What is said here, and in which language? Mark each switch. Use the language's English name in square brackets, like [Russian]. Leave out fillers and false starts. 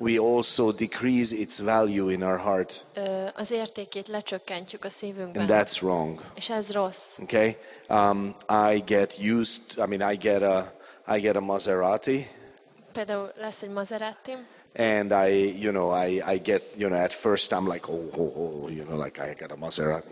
[English] we also decrease its value in our heart. [Hungarian] Az értékét lecsökkentjük a szívünkben. [English] And that's wrong. [Hungarian] És ez rossz. [English] Okay? I get a Maserati. [Hungarian] Például lesz egy Maserati. [English] And I get, you know, at first I'm like, oh, you know, like I got a Maserati.